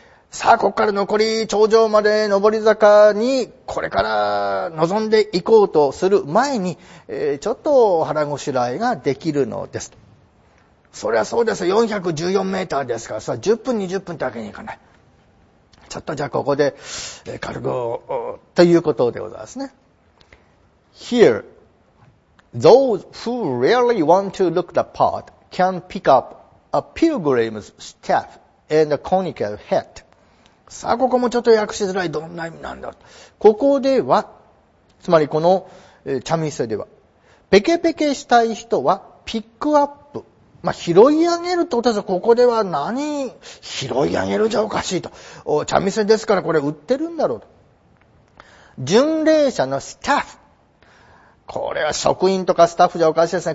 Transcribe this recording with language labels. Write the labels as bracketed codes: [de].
[ja] さあ、ここから残り頂上まで上り坂にこれから臨んでいこうとする前に、ちょっと腹ごしらえができるのです。そりゃそうですよ。 414メーターですからさ、10分20分ってわけにいかない。ちょっとじゃあここで軽くということでございますね。 [en] Here those who really want to look the part can pick up a pilgrim's staff and a conical hat。 [ja] さあここもちょっと訳しづらい、どんな意味なんだ。ここではつまりこの茶店ではペケペケしたい人はピックアップ、まあ、拾い上げるってことですよ。ここでは何、拾い上げるじゃおかしいと。お茶店ですからこれ売ってるんだろうと。巡礼者のスタッフ、これは職員とかスタッフじゃおかしいですね。